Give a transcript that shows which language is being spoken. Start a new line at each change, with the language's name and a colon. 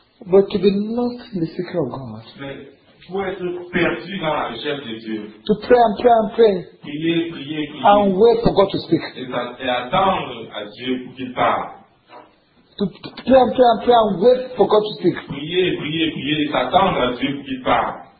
English: But to be lost in the secret of God.
French: Pour être perdu dans la recherche de Dieu.
English: To pray and pray and pray.
French: Prier, prier, prier.
English: And wait for God to speak.
French: Et attendre à Dieu pour qu'il parle.
English: To pray and pray and pray and wait for God to speak.
French: Prier, prier, prier et attendre à Dieu pour qu'il parle.